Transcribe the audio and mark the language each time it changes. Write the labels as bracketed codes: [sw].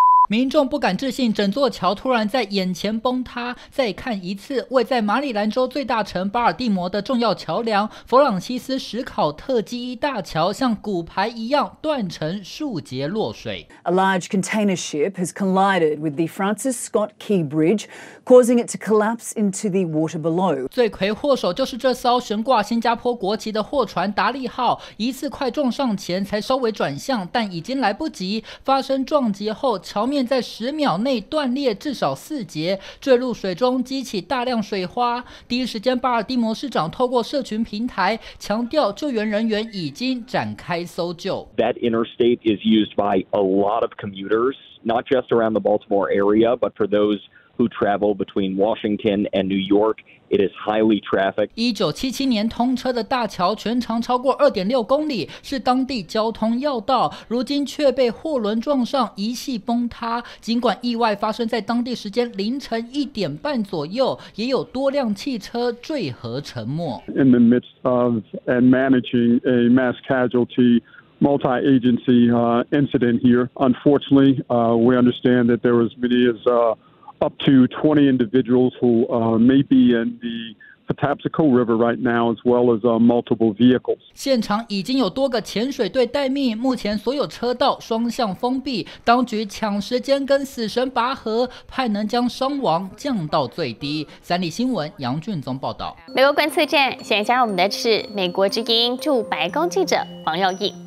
[zh] 民众不敢置信，整座桥突然在眼前崩塌。再看一次，位在马里兰州最大城巴尔的摩的重要桥梁——弗朗西斯·史考特基一大桥，像骨牌一样断成数节落水。 [en] A large container ship has collided with the Francis Scott Key Bridge, causing it to collapse into the water below. [zh] 罪魁祸首就是这艘悬挂新加坡国旗的货船达利号，一次快撞上前才稍微转向，但已经来不及。发生撞击后，桥面在十秒内断裂至少四节，坠入水中激起大量水花。第一时间，巴尔的摩市长透过社群平台强调，救援人员已经展开搜救。 [en] That interstate is used by a lot of commuters, not just around the Baltimore area, but for those who travel between Washington and New York. It is highly trafficked. [zh] 1977年通车的大桥全长超过 2.6 公里，是当地交通要道，如今却被货轮撞上一系崩塌。尽管意外发生在当地时间凌晨1:30左右，也有多辆汽车坠河沉没。 [en] In the midst of and managing a mass casualty multi-agency incident here, unfortunately, we understand that there was many as up to 20 individuals who may be in the Patapsco River right now, as well as multiple vehicles. [zh] 现场已经有多个潜水队待命，目前所有车道双向封闭，当局抢时间跟死神拔河，盼能将伤亡降到最低。三立新闻杨俊宗报道。美国观测站，现在加入我们的是美国之音驻白宫记者黄耀毅。